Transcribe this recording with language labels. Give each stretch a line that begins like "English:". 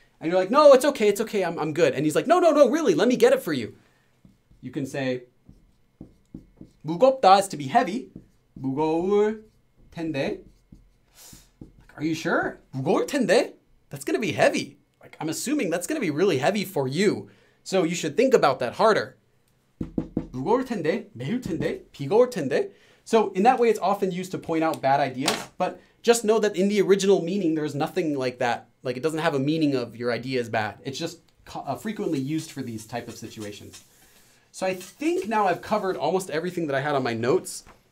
English: And you're like, no, it's okay. It's okay. I'm good. And he's like, no, really. Let me get it for you. You can say, 무겁다 is to be heavy.
Korean: 무거울 텐데.
English: Like, are you sure?
Korean: 무거울 텐데?
English: That's going to be heavy. Like, I'm assuming that's going to be really heavy for you. So you should think about that harder.
Korean: 무거울 텐데, 매울 텐데, 비가 올 텐데.
English: So in that way, it's often used to point out bad ideas, but just know that in the original meaning, there's nothing like that. Like, it doesn't have a meaning of your idea is bad. It's just frequently used for these type of situations. So I think now I've covered almost everything that I had on my notes.